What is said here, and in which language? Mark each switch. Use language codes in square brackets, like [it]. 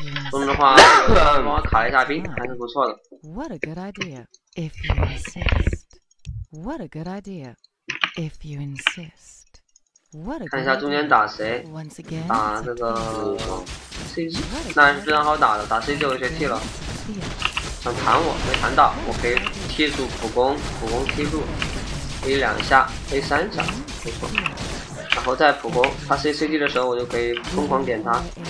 [zh] 说实话，这个帮我卡了一下兵，还是不错的。 [en] What a good idea if you insist. What a good idea if you insist. What a good idea. [zh] 看一下中间打谁？打这个 CG， 那还是非常好打的，打 CG 就有些 T 了。想弹我没弹到，我可以踢住普攻，普攻踢住 A 两下 ，A 三下，没错。然后再普攻，他 CCD 的时候我就可以疯狂点他。